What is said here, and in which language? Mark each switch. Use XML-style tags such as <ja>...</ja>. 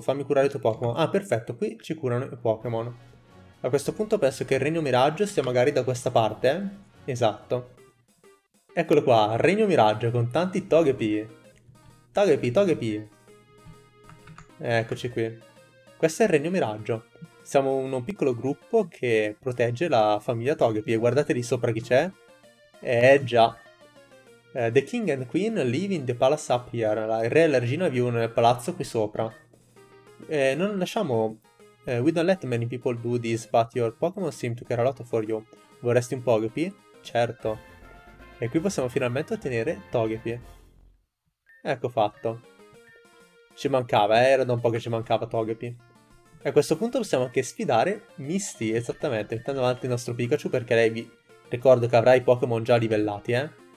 <it>Fammi curare i tuoi Pokémon. Ah, perfetto. Qui ci curano i Pokémon. A questo punto penso che il regno miraggio sia magari da questa parte. Esatto. Eccolo qua. Regno miraggio con tanti Togepi. Togepi, Togepi. Eccoci qui. Questo è il regno miraggio. Siamo un piccolo gruppo che protegge la famiglia Togepi. E guardate lì sopra chi c'è. Già.</it> <en>The King and Queen live in the palace up here.</en> <it>Il re e la regina vivono nel palazzo qui sopra. Non lasciamo.</it> <en>We don't let many people do this, but your Pokémon seem to care a lot for you.</en> <it>Vorresti un Pogepi? Certo. E qui possiamo finalmente ottenere Togepi. Ecco fatto. Ci mancava, era da un po' che ci mancava Togepi. E a questo punto possiamo anche sfidare Misty, esattamente, mettendo avanti il nostro Pikachu perché lei vi ricordo che avrà i Pokémon già livellati, eh.</it>